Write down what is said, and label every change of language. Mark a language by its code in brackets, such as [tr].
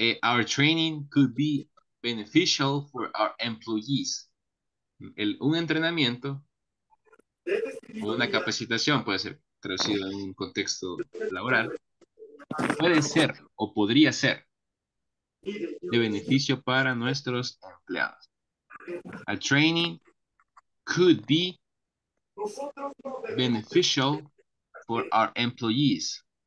[en] Our training could be beneficial for our employees. [es] Un entrenamiento o una capacitación puede ser traducido en un contexto laboral. Puede ser o podría ser de beneficio para nuestros empleados. [en] A training could be beneficial for our employees.